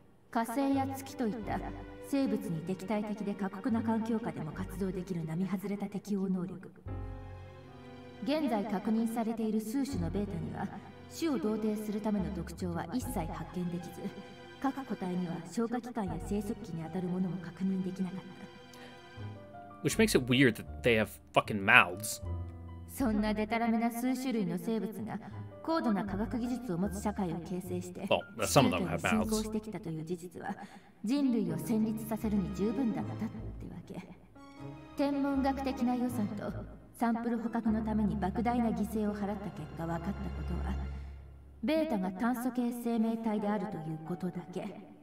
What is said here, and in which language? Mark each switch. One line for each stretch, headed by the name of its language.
Japanese: 火星や月といった生物に敵対的で過酷な環境下でも活動できる並外れた適応能力、現在確認されている数種のベータには種を同定するための特徴は一切発見できず、各個体には消化器官や生息器にあたるものも確認できなかった。
English: Which makes it weird that they have fucking mouths.
Japanese: そんなデタラメな数種類の生物が高度な科学技術を持つ社会を形成して、
English: well, some of them have mouths.
Japanese: 進行してきたという事実は人類を戦慄させるに十分だったってわけ。天文学的な予算とサンプル捕獲のために莫大な犠牲を払った結果分かったことは、ベータが炭素系生命体であるということだけ。